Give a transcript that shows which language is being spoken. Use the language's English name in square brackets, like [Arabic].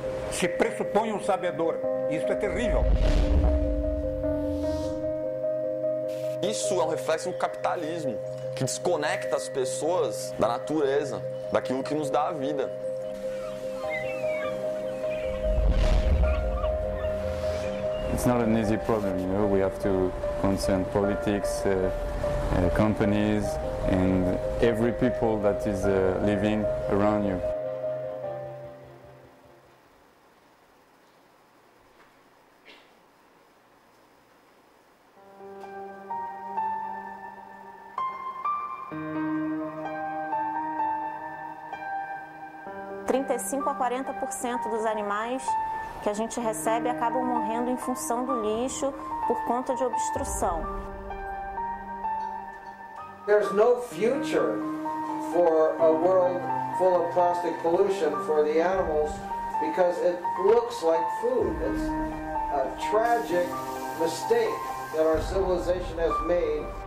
[Portuguese] Se pressupõe um sabedor. Isso é terrível. Isso é um reflexo do capitalismo, que desconecta as pessoas da natureza, daquilo que nos dá a vida. [English] It's not an easy problem, you know. We have to concern politics, companies, and every people that is living around you. [Portuguese] A 40% dos animais que a gente recebe acabam morrendo em função do lixo por conta de obstrução. [English] There's no future for a world full of plastic pollution for the animals because it looks like food. It's a tragic mistake that our civilization has made.